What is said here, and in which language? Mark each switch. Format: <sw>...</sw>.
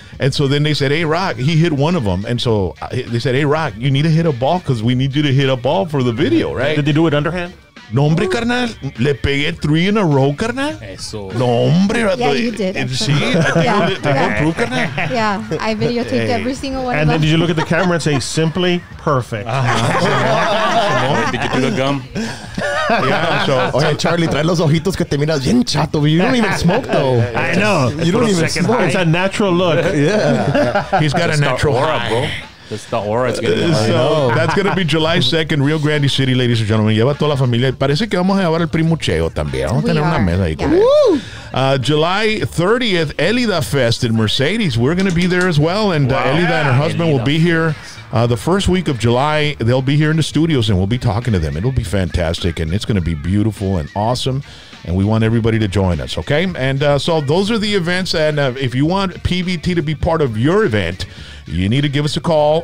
<en>And so then they said, "Hey, Rock," he hit one of them. And so they said, "Hey, Rock, you need to hit a ball because we need you to hit a ball for the video, right?" Did they do it underhand?</en> <es>No, hombre, carnal. Le pegué 3</es> <en>in a row,</en> <es>carnal. Eso. No, hombre.</es> <en>Yeah, you did.</en> <es>Sí. Tengo proof, carnal.</es> <en>Yeah, I videotaped every single one of them. And then did you look at the camera and say, "Simply perfect"? Uh-huh. Did you do the gum? Yeah, so.</en> <es>Oye, Charlie, trae los ojitos que te miras bien chato.</es> <en>You don't even smoke, though. I know. You don't even smoke. High. It's a natural look. Yeah. He's got a natural aura, high. Bro. That's the aura it's going to be. So that's going to be July 2nd, Rio Grande City, ladies and gentlemen.</en> <es>Lleva toda la familia. Parece que vamos a llevar el primo Cheo también. Vamos a tener una mesa ahí con él.</es> <en>July 30th, Elida Fest in Mercedes. We're going to be there as well. And Elida and her husband will be here the first week of July. They'll be here in the studios, and we'll be talking to them. It'll be fantastic, and it's going to be beautiful and awesome. And we want everybody to join us, okay? And so those are the events. And if you want PVT to be part of your event, you need to give us a call.</en>